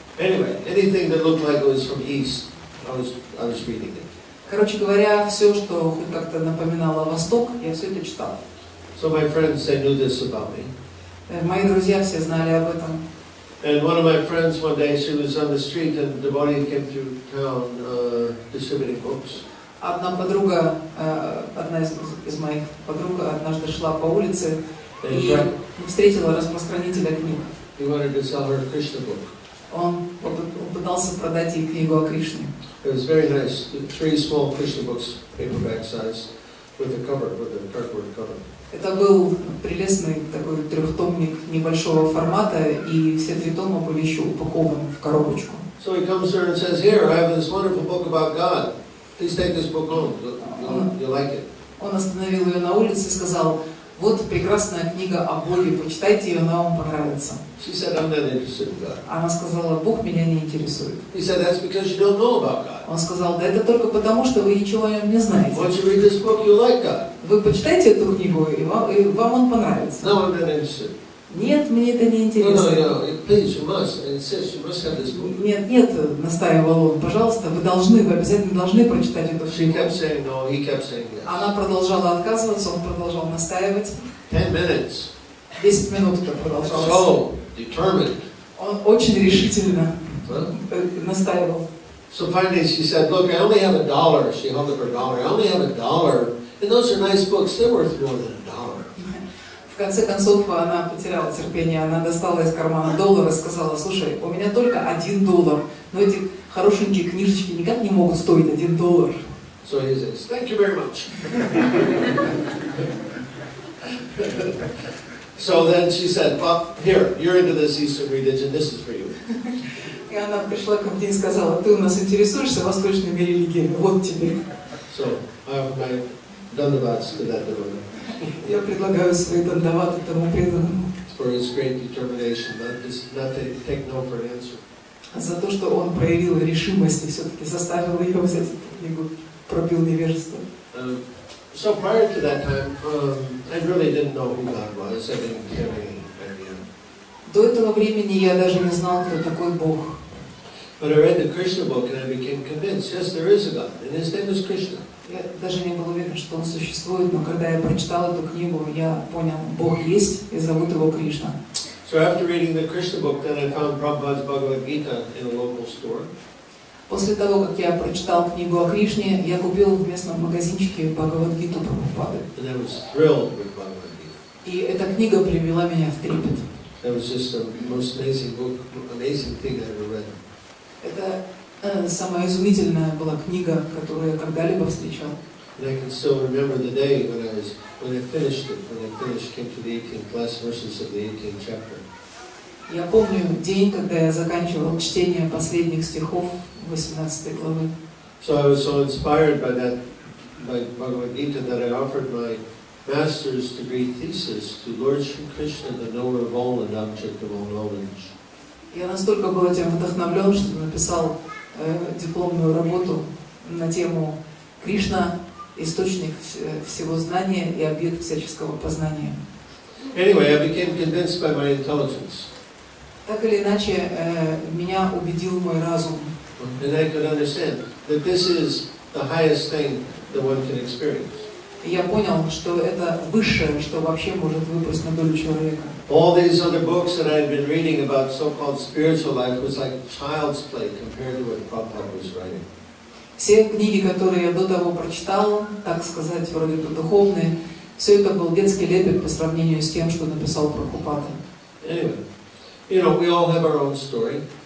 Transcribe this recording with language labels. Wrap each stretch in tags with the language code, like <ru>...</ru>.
<en>Anyway, anything that looked like it was from East, I was reading it.</en> <ru>Короче говоря, все, что хоть как-то напоминало Восток, я все это читал.</ru> <en>So my friends, they knew this about me.</en> <ru>Мои друзья все знали об этом.</ru> <en>And one of my friends one day, she was on the street, and a devotee came through town distributing books.</en> <ru>Одна подруга, одна из моих подруг, однажды шла по улице и встретила распространителя книг.</ru> <en>He wanted to sell her a Krishna book.</en> <ru>Он пытался продать ей книгу о Кришне.</ru> <en>It was very nice. Three small Krishna books, paperback size, with a cover, with a cardboard cover.</en> <ru>Это был прелестный такой трехтомник небольшого формата, и все три тома были еще упакованы в коробочку.</ru> <en>So he comes here and says, here, I have this wonderful book about God. Please take this book home. You like it.</en> <ru>Он остановил ее на улице и сказал, вот прекрасная книга о Боге, почитайте ее, она вам понравится.</ru> <en>She said, I'm not interested in God.</en> <ru>Она сказала, Бог меня не интересует.</ru> <en>He said, that's because you don't know about God.</en> <ru>Он сказал, да это только потому, что вы ничего о нем не знаете.</ru> <en>Once you read this book, you like God.</en> <ru>Вы почитайте эту книгу, и вам он понравится.</ru> <en>No, I'm not interested.</en> <ru>Нет, мне это не интересно.</ru> <en>Please, you must. It says you must have this book.</en> <ru>Нет, настаивал он. Пожалуйста, вы обязательно должны прочитать эту книгу.</ru> <en>She kept saying no, he kept saying yes.</en> <ru>Она продолжала отказываться, он продолжал настаивать.</ru> <en>10 minutes.</en> <ru>10 минут это продолжалось.</ru> <en>So determined.</en> <ru>Он очень решительно настаивал.</ru> <en>So finally she said, look, I only have a dollar. She held up her dollar. I only have a dollar. And those are nice books. They're worth more than a dollar.</en> <ru>В конце концов, она потеряла терпение. Она достала из кармана доллар и сказала, слушай, у меня только $1. Но эти хорошенькие книжечки никак не могут стоить $1.</ru> <en>So he says, thank you very much. So then she said, well, here, you're into this Eastern religion. This is for you.</en> <ru>И она пришла ко мне и сказала, ты у нас интересуешься восточными религиями. Вот тебе.</ru> <en>So, I Dandavats to that devotee.</en> <ru>Я предлагаю свои дандаваты тому преданному.</ru> <en>For his great determination, not to take no for an answer.</en> <ru>За то, что он проявил решимость и все-таки заставил ее взять эту книгу, пробил невежество.</ru> <en>So prior to that time, I really didn't know who God was. I didn't care any.</en> <ru>До этого времени я даже не знал, кто такой Бог.</ru> <en>But I read the Krishna book and I became convinced, yes, there is a God, and his name is Krishna.</en> <ru>Я даже не был уверен, что он существует, но когда я прочитал эту книгу, я понял, Бог есть, и зовут его Кришна.</ru> <en>So after reading the Krishna book, then I found Prabhupada's Bhagavad Gita in a local store.</en> <ru>После того, как я прочитал книгу о Кришне, я купил в местном магазинчике Бхагавад-гиту Прабхупады.</ru> <en>And I was thrilled with Bhagavad-gita.</en> <ru>И эта книга привела меня в трепет.</ru> <en>That was just the most amazing book, amazing thing I ever read.</en> <ru>Это самая изумительная была книга, которую я когда-либо встречал.</ru> <en>And I can still remember the day when I was, when I finished, came to the 18th last verses of the 18th chapter.</en> <ru>Я помню день, когда я заканчивал чтение последних стихов 18 главы.</ru> <en>So I was so inspired by that, by Bhagavad Gita, that I offered my master's degree thesis to Lord Sri Krishna, the knower of all and object of all knowledge.</en> <ru>Я настолько был этим вдохновлен, что написал дипломную работу на тему Кришна, источник всего знания и объект всяческого познания.</ru> <en>Anyway, I became convinced by my intelligence.</en> <ru>Так или иначе, меня убедил мой разум.</ru> <en>And I could understand that this is the highest thing that one can experience.</en> <ru>Я понял, что это высшее, что вообще может выпасть на долю человека.</ru> <en>All these other books that I had been reading about so-called spiritual life was like child's play compared to what Prabhupada was writing.</en> <ru>Все книги, которые я до того прочитал, так сказать, вроде бы духовные, все это был детский лепет по сравнению с тем, что написал Прабхупада.</ru> <en>You know, we all have our own story.</en>